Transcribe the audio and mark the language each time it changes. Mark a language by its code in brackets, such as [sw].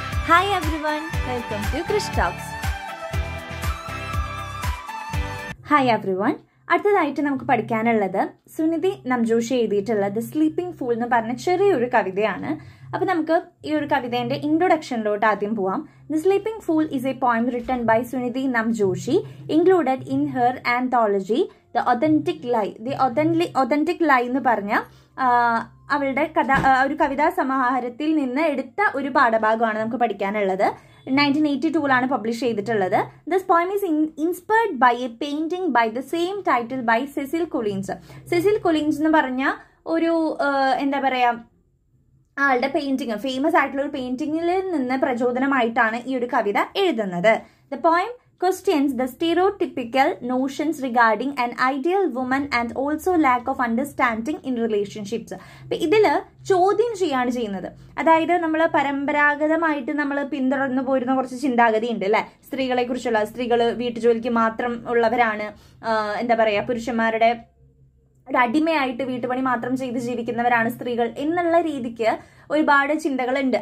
[en] Hi everyone, welcome to Krish Talks. [ml] Hi everyone, അടുത്തതായിട്ട് നമുക്ക് പഠിക്കാനുള്ളത് സുനിതി നംജോഷി എഴുതിയിട്ടുള്ള ദ സ്ലീപ്പിംഗ് ഫൂൾ എന്ന് പറഞ്ഞ ചെറിയൊരു കവിതയാണ്. അപ്പൊ നമുക്ക് ഈ ഒരു കവിതേന്റെ ഇൻട്രൊഡക്ഷനിലോട്ട് ആദ്യം പോവാം. [en] The sleeping fool is a poem written by Suniti Namjoshi included in her anthology the authentic lie. [ml] The authentic ലൈ എന്ന് പറഞ്ഞ അവളുടെ കഥ ഒരു കവിതാ സമാഹാരത്തിൽ നിന്ന് എടുത്ത ഒരു പാഠഭാഗമാണ് നമുക്ക് പഠിക്കാനുള്ളത്. [en] 1982 publish [ml] ചെയ്തിട്ടുള്ളത്. [en] This poem is inspired by a painting by the same title by Cecil Collins. [ml] സെസിൽ കൊളീൻസ് എന്ന് പറഞ്ഞ ഒരു എന്താ പറയുക, ആളുടെ പെയിന്റിംഗ്, ഫേമസ് ആയിട്ടുള്ള ഒരു പെയിന്റിംഗിൽ നിന്ന് പ്രചോദനമായിട്ടാണ് ഈ ഒരു കവിത എഴുതുന്നത്. [en] The poem questions the stereotypical notions regarding an ideal woman and also lack of understanding in relationships. [ml] ഇതില് ചോദ്യം ചെയ്യാണ് ചെയ്യുന്നത്. അതായത് നമ്മൾ പരമ്പരാഗതമായിട്ട് നമ്മൾ പിന്തുടർന്നു പോയിരുന്ന കുറച്ച് ചിന്താഗതി ഉണ്ട് അല്ലെ, സ്ത്രീകളെ കുറിച്ചുള്ള. സ്ത്രീകൾ വീട്ടുജോലിക്ക് മാത്രം ഉള്ളവരാണ്, എന്താ പറയാ, പുരുഷന്മാരുടെ ഒരു അടിമയായിട്ട് വീട്ടുപണി മാത്രം ചെയ്ത് ജീവിക്കുന്നവരാണ് സ്ത്രീകൾ എന്നുള്ള രീതിക്ക് ഒരുപാട് ചിന്തകളുണ്ട്.